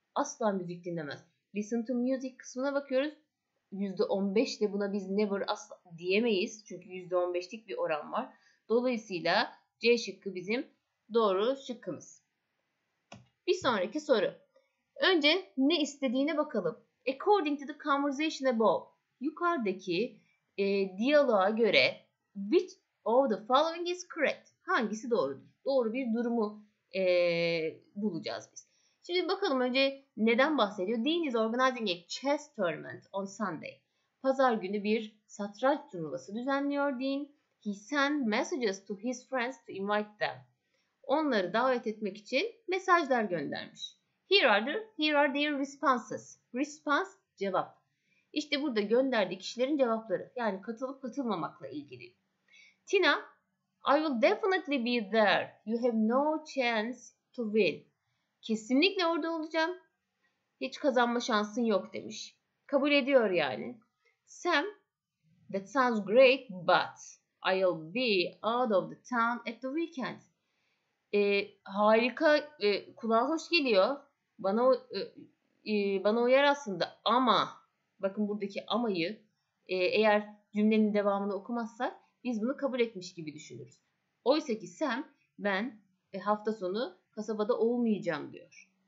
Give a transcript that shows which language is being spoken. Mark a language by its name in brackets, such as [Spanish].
[Turkish] Asla müzik dinlemez. [English] Listen to music [Turkish] kısmına bakıyoruz. %15 ile buna biz never asla diyemeyiz. Çünkü %15'lik bir oran var. Dolayısıyla C şıkkı bizim doğru şıkkımız. Bir sonraki soru. Önce ne istediğine bakalım. [English] According to the conversation above, [Turkish] yukarıdaki diyaloğa göre [English] which of the following is correct? [Turkish] Hangisi doğrudur? Doğru bir durumu bulacağız biz. Şimdi bakalım önce neden bahsediyor? [English] Dean is organizing a chess tournament on Sunday. [Turkish] Pazar günü bir satranç turnuvası düzenliyor Dean. [English] He sent messages to his friends to invite them. [Turkish] Onları davet etmek için mesajlar göndermiş. [English] Here are their responses. [Turkish] Response, cevap. İşte burada gönderdiği kişilerin cevapları. Yani katılıp katılmamakla ilgili. Tina, [English] I will definitely be there. You have no chance to win. [Turkish] Kesinlikle orada olacağım. Hiç kazanma şansın yok demiş. Kabul ediyor yani. [English] Sam, that sounds great, but I'll be out of the town at the weekend. [Turkish] Harika, kulağa hoş geliyor. Bana uyar aslında ama, bakın buradaki amayı eğer cümlenin devamını okumazsak biz bunu kabul etmiş gibi düşünürüz. Oysa ki Sam, ben hafta sonu kasabada olmayacağım diyor.